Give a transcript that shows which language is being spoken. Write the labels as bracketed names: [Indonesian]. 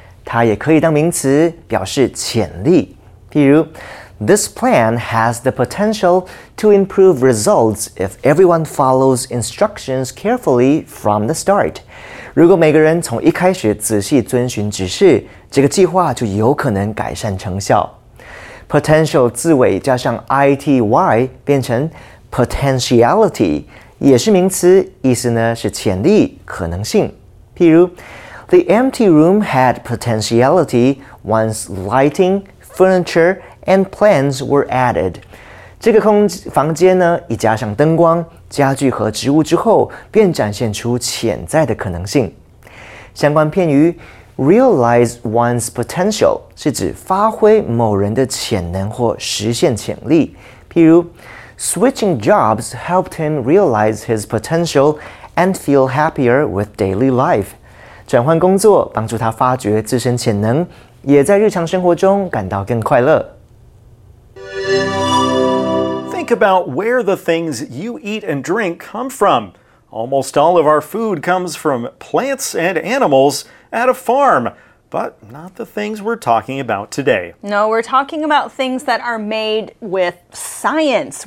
[Chinese] 它也可以当名词，表示潜力。 [English] 譬如This plan has the potential to improve results if everyone follows instructions carefully from the start. [Chinese] 如果每个人从一开始仔细遵循指示，这个计划就有可能改善成效。 Potential 字尾加上 ity 变成 potentiality， 也是名词，意思呢是潜力、可能性。 [English] 譬如 ，The empty room had potentiality once lighting, furniture. And plants were added. [Chinese] 这个空房间呢，一加上灯光、家具和植物之后，便展现出潜在的可能性。相关片语 [English] realize one's potential [Chinese] 是指发挥某人的潜能或实现潜力。 [English] 譬如 switching jobs helped him realize his potential and feel happier with daily life. [Chinese] 转换工作帮助他发掘自身潜能，也在日常生活中感到更快乐。 [English] Think about where the things you eat and drink come from. Almost all of our food comes from plants and animals at a farm, but not the things we're talking about today. No, we're talking about things that are made with science.